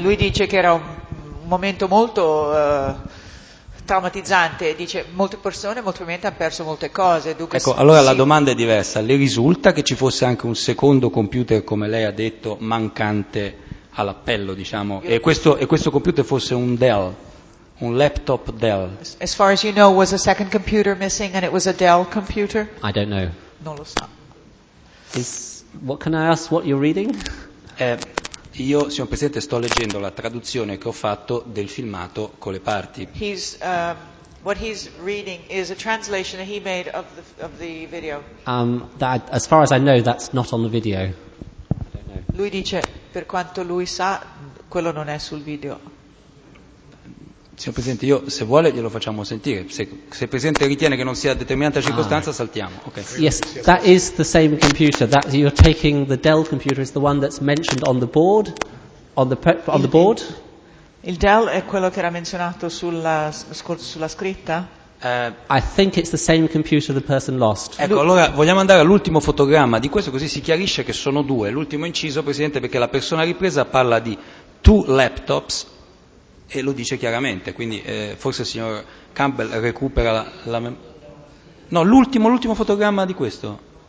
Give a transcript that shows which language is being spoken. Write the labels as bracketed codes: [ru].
[it] Lui dice che era un momento molto traumatizzante, dice molte persone molto ovviamente hanno perso molte cose. Dunque, ecco, allora sì. La domanda è diversa, le risulta che ci fosse anche un secondo computer, come lei ha detto, mancante all'appello, diciamo, e questo computer fosse un Dell, un laptop Dell? [en] As far as you know, was a second computer missing and it was a Dell computer? I don't know. [it] Non lo so. [en] What can I ask what you're reading? [it] Io, signor Presidente, sto leggendo la traduzione che ho fatto del filmato con le parti. [en] What he's reading is a translation that he made of the video. As far as I know, that's not on the video. [it] Lui dice, per quanto lui sa, quello non è sul video. Signor Presidente, io, se vuole, glielo facciamo sentire. Se il Presidente ritiene che non sia determinata circostanza, saltiamo. [en] Okay. Yes, that is the same computer. That you're taking the Dell computer is the one that's mentioned on the board? On the board? [it] Il Dell è quello che era menzionato sulla scritta? [en] I think it's the same computer the person lost. [it] Ecco, allora vogliamo andare all'ultimo fotogramma di questo, così si chiarisce che sono due. L'ultimo inciso, Presidente, perché la persona ripresa parla di [en] two laptops, [it] e lo dice chiaramente, quindi forse il signor Campbell recupera l'ultimo fotogramma di questo.